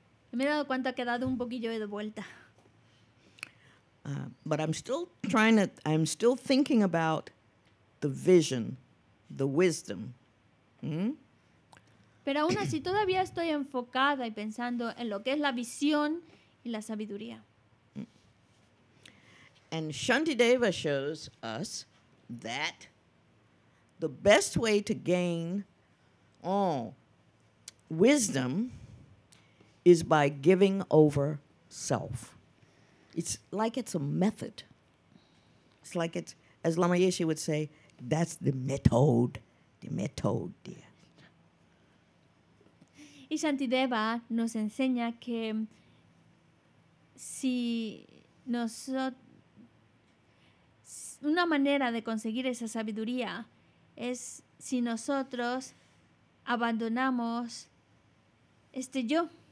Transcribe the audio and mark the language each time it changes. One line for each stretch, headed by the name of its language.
Spanish: Me he dado cuenta que he dado un poquillo de vuelta.
English: But I'm still thinking about the vision, the wisdom.
Spanish: Pero aún así todavía estoy enfocada y pensando en lo que es la visión y la sabiduría.
English: And Shantideva shows us that the best way to gain wisdom is by giving over self. It's like it's a method. It's like it's, as Lama Yeshe would say, that's the method, dear.
Spanish: Y Shantideva nos enseña que si una manera de conseguir esa sabiduría es si nosotros abandonamos este yo.